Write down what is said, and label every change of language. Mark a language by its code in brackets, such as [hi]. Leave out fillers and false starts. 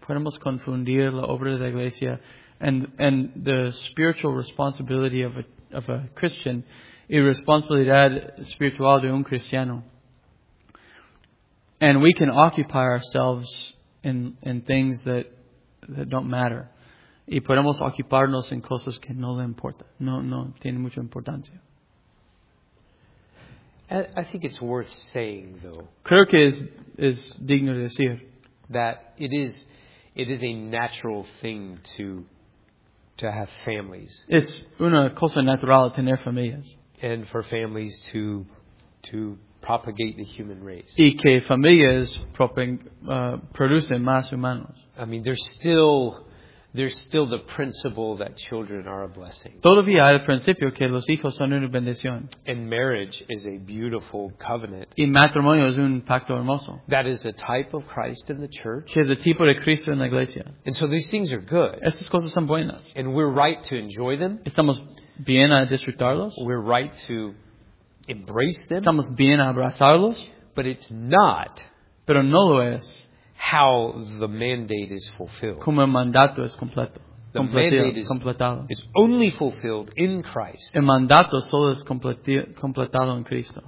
[es] Podemos confundir la obra de la iglesia [en] and the spiritual responsibility of a Christian [es] y responsabilidad espiritual de un cristiano. [en] And we can occupy ourselves in things that don't matter. [es] Y podemos ocuparnos en cosas que no le importa. No tiene mucha importancia. [en] I think it's worth saying, though. [es] Creo que es digno de decir. [en] That it is a natural thing to have families. [es] Es una cosa natural tener familias. [en] And for families to propagate the human race. [es] Y que familias producen más humanos. [en] I mean, there's still there's still the principle that children are a blessing. [es] Todavía hay el principio que los hijos son una bendición. [en] And marriage is a beautiful covenant. [es] Y matrimonio es un pacto hermoso. [en] That is a type of Christ in the church. [es] Que es el tipo de Cristo en la iglesia. [en] And so these things are good. [es] Estas cosas son buenas. [en] And we're right to enjoy them. [es] Estamos bien a disfrutarlos. [en] We're right to embrace them. [es] Estamos bien a abrazarlos. [en] But it's not. [es] Pero no lo es. [en] How the mandate is fulfilled. [es] Como el mandato es completo. [en] The mandate is [es] completado. [en] It's only fulfilled in Christ. [es] El mandato solo es completado en Cristo.